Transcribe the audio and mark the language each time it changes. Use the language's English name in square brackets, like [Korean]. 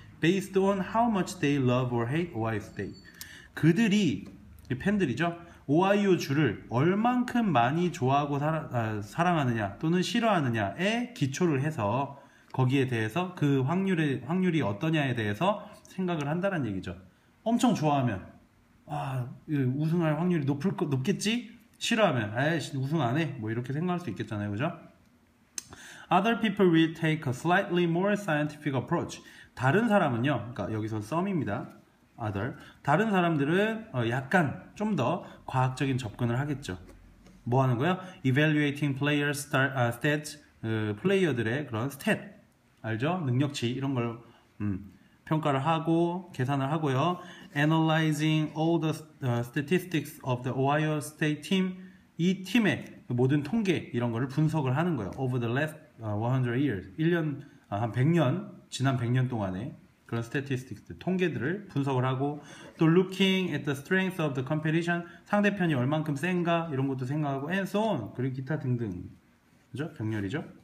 [English] Based on how much they love or hate Ohio State. [Korean] 그들이, 팬들이죠? Ohio 주를 얼만큼 많이 좋아하고 사랑하느냐 또는 싫어하느냐에 기초를 해서 거기에 대해서 그 확률이 어떠냐에 대해서 생각을 한다는 얘기죠. 엄청 좋아하면, 아, 우승할 확률이 높겠지? 싫어하면, 에이씨, 우승 안 해. 뭐, 이렇게 생각할 수 있겠잖아요. 그죠? [English] Other people will take a slightly more scientific approach. [Korean] 다른 사람은요, 그러니까 여기서 some입니다. [English] Other. [Korean] 다른 사람들은 약간 좀더 과학적인 접근을 하겠죠. 뭐 하는 거예요? [English] Evaluating players' stats, [Korean] 플레이어들의 그런 stat. 알죠? 능력치, 이런 걸, 평가를 하고, 계산을 하고요. [English] Analyzing all the statistics of the Ohio State team. [Korean] 이 팀의 모든 통계, 이런 거를 분석을 하는 거예요. [English] Over the last 100 years. [Korean] 1년, 한 100년, 지난 100년 동안에 그런 statistics, 통계들을 분석을 하고, [English] to looking at the strength of the competition. [Korean] 상대편이 얼만큼 센가, 이런 것도 생각하고, [English] and so on. [Korean] 그리고 기타 등등. 그죠? 병렬이죠?